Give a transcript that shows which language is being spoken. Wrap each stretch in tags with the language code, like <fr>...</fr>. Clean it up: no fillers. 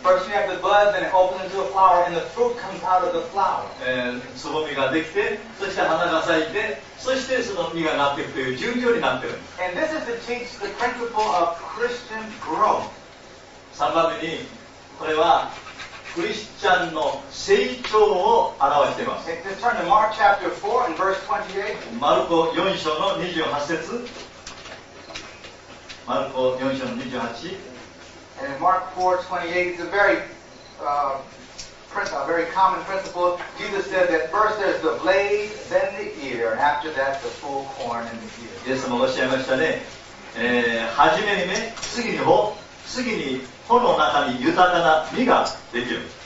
<en>First you have the bud, then it opens into a flower, and the fruit comes out of the flower.</en> <ja>つぼみができて、そして花が咲いて、そしてその実がなっていくという順序になってるんです。</ja> <en>And this is to teach the principle of Christian growth.</en> <ja>3番目に、これはクリスチャンの成長を表しています。</ja> <en>Let's turn to Mark chapter 4 and verse 28.</en> <ja>マルコ4章の28節。マルコ4章の28。</ja> <en>And Mark 4:28 is a very, a very common principle. Jesus said that first there's the blade, then the ear, and after that the full corn in the ear.</en> <ja>イエス様おっしゃいましたね、初めに目、次に穂、次にその中に豊かな実ができる。</ja>